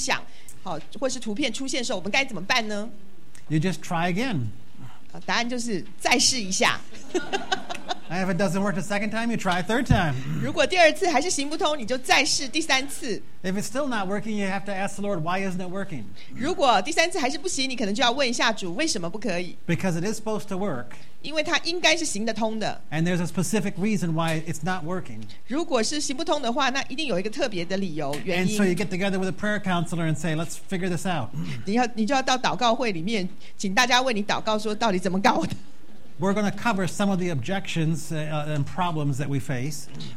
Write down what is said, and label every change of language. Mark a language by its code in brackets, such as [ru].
[zh] 如果在我们操练这个记录，写我们的日记的时候，但是却没有任何的这种自发性的思想，或是图片出现的时候，我们该怎么办呢？ [en] You just try again. [zh] 答案就是再试一下。 [en] If it doesn't work the second time, you try a third time. [zh] 如果第二次还是行不通，你就再试第三次。 [en] If it's still not working, you have to ask the Lord, why isn't it working? [zh] 如果第三次还是不行，你可能就要问一下主为什么不可以。 [en] Because it is supposed to work. [zh] 因为它应该是行得通的。 [en] And there's a specific reason why it's not working. [zh] 如果是行不通的话，那一定有一个特别的理由原因。 [en] And so you get together with a prayer counselor and say, let's figure this out. [zh] 你就要到祷告会里面，请大家为你祷告，说到底怎么搞的。 [en] We're going to cover some of the objections and problems that we face.